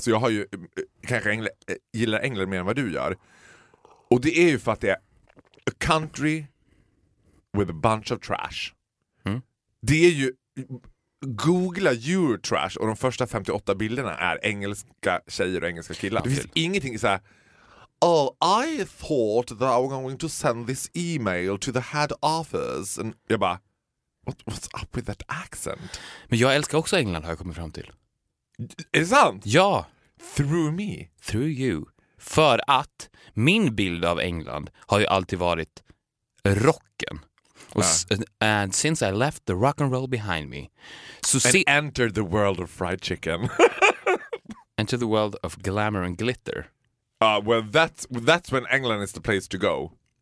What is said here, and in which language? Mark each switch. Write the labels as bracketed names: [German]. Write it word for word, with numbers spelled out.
[Swedish] Alltså jag har ju kanske Engl- gillar England mer än vad du gör. Och det är ju för att det är [English] a country with a bunch of trash. Mm. [Swedish] Det är ju googla Eurotrash och de första femtioåtta bilderna är engelska tjejer och engelska killar. Det finns ingenting så här. [English] Oh, I thought that I was going to send this email to the head office. And [Swedish] jag bara, [English] What, what's up with that accent? [Swedish] Men jag älskar också England, har jag kommit fram till. Är det sant? Ja. [English] Through me. Through you. [Swedish] För att min bild av England har ju alltid varit rocken. Och Ja. [English] s- and since I left the rock and roll behind me. So And see- enter the world of fried chicken. Enter the world of glamour and glitter. uh, well, that's, that's when England is the place to go.